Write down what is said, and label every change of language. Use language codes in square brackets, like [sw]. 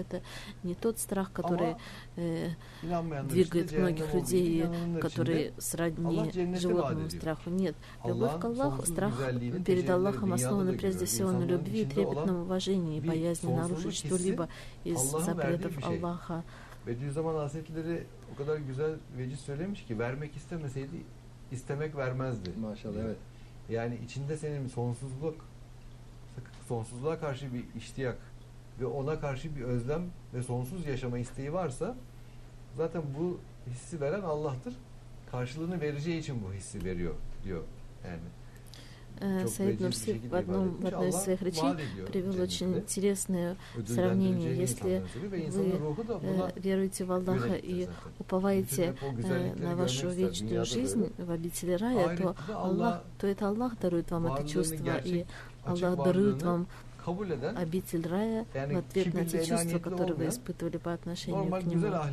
[ru] Это не тот страх, который двигает многих людей, которые сродни животному страху. Нет, любовь к Аллаху, страх перед Аллахом основан прежде всего на любви и трепетном уважении, и боязни нарушить что-либо из запретов Аллаха. [tr] Bediüzzaman Hazretleri o kadar güzel veciz söylemiş ki, vermek istemeseydi istemek vermezdi. Maşallah, evet. Yani içinde senin sonsuzluk, sonsuzluğa karşı bir iştiyak ve ona karşı bir özlem ve sonsuz yaşama isteği varsa, zaten bu hissi veren Allah'tır. Karşılığını vereceği için bu hissi veriyor diyor yani. [ru] Саид Нурси в одной из своих речей привел очень интересное сравнение. Если вы веруете в Аллаха и уповаете на вашу вечную жизнь в обители рая, то Аллах, то это Аллах дарует вам это чувство, и Аллах дарует вам обитель рая в ответ на те чувства, которые вы испытывали по отношению к нему.